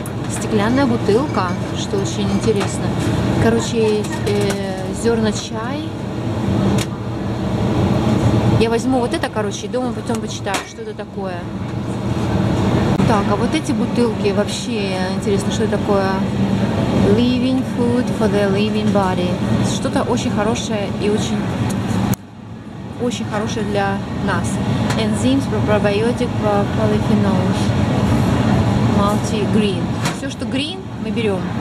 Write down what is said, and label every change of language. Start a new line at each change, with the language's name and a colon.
Russian: Стеклянная бутылка, что очень интересно. Короче, зерна чай. Я возьму вот это, короче, и дома потом почитаю, что это такое. Так, а вот эти бутылки вообще интересно, что это такое.
English: Living food for the living body.
Russian: Что-то очень хорошее и очень хорошее для нас.
English: Enzymes for probiotic for polyphenols. Multi-green.
Russian: Все, что green, мы берем.